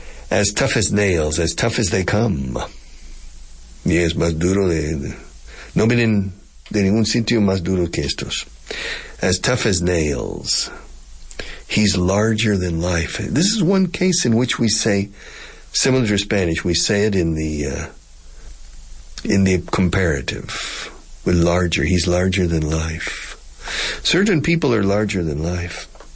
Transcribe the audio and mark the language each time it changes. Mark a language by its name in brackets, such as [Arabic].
[English] As tough as nails, as tough as they come. [Spanish] Yes, más duro de... No vienen de ningún sitio más duro que estos. [English] As tough as nails. He's larger than life. This is one case in which we say... Similar to Spanish, we say it in the comparative, with larger. He's larger than life. Certain people are larger than life.